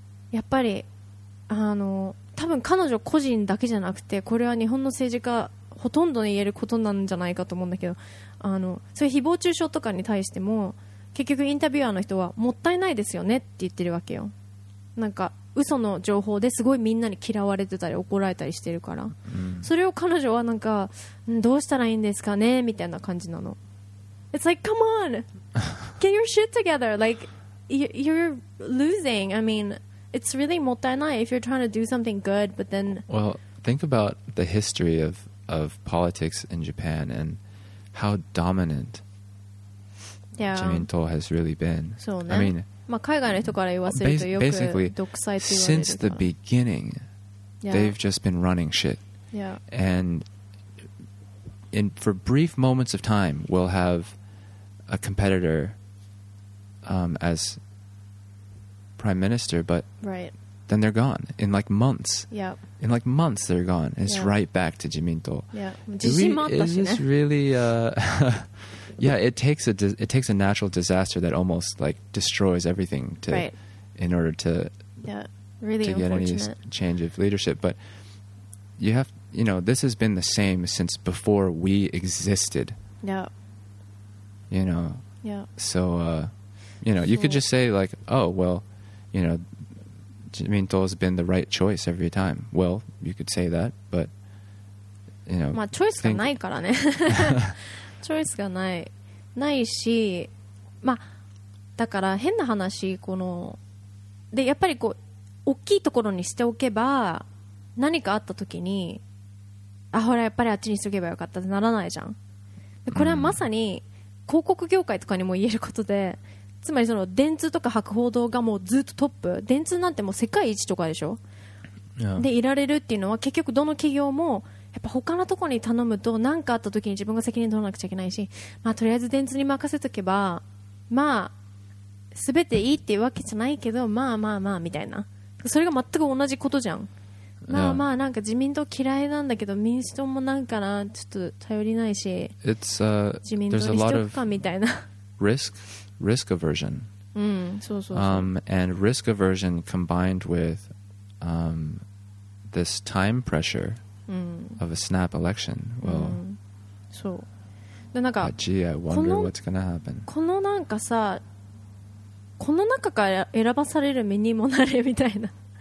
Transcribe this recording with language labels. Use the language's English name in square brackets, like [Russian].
[Japanese] やっぱりあの多分彼女個人だけじゃなくて、これは日本の政治家ほとんどに言えることなんじゃないかと思うんだけど、あのそういう誹謗中傷とかに対しても結局インタビュアーの人はもったいないですよねって言ってるわけよ。なんか嘘の情報ですごいみんなに嫌われてたり怒られたりしてるから、それを彼女はなんかどうしたらいいんですかねみたいな感じなの。 [English] It's like, come on, get your shit together. Like, you're losing. I mean, it's really もったいない if you're trying to do something good, but then, well, think about the history of politics in Japan and how dominant [Japanese] Zamindo [English] has really been. [Japanese] そうね。 [English] I mean, [Japanese] まあ、海外の人から言わせるとよく独裁って言われるから。 [English] Since the beginning、yeah. they've just been running shit、 yeah. and in, for brief moments of time we'll have a competitor、as prime minister, but、 right. then they're gone in like months、 yeah. in like months they're gone, it's、 yeah. right back to 自民党、 [Japanese] yeah. 自信もあったしね。 [English] Is this really Yeah, it takes a natural disaster that almost like destroys everything to、 right. in order to, yeah, really to get any change of leadership. But you have, you know, this has been the same since before we existed. Yeah. You know. Yeah. So, you know, you could just say like, oh, well, you know, Zamindo has been the right choice every time. Well, you could say that, but, you know. [Japanese] まあ、チョイスがないからね。チョイスがない、ないし、まあ、だから変な話、このでやっぱりこう大きいところにしておけば何かあった時に、あほらやっぱりあっちにしておけばよかったってならないじゃん。でこれはまさに広告業界とかにも言えることで、つまりその電通とか博報堂がもうずっとトップ、電通なんてもう世界一とかでしょ、 [English] yeah. [Japanese] でいられるっていうのは結局どの企業もやっぱ他のところに頼むと何かあった時に自分が責任取らなくちゃいけないし、まあ、とりあえず電通に任せとけば、まあ、全ていいっていうわけじゃないけど、まあまあまあみたいな。それが全く同じことじゃん。まあまあ、なんか自民党嫌いなんだけど、民主党もなんかな、ちょっと頼りないし、自民党にしとくかみたいな。 [English] risk aversion. [Japanese] そうそうそう。 [English] And risk aversion combined with, this time pressure of a snap election. Well, [Japanese] そう。でなんか、 [English] gee, I wonder what's gonna happen. [Japanese] このなんかさ、この中から選ばされる身にもなれみたいな。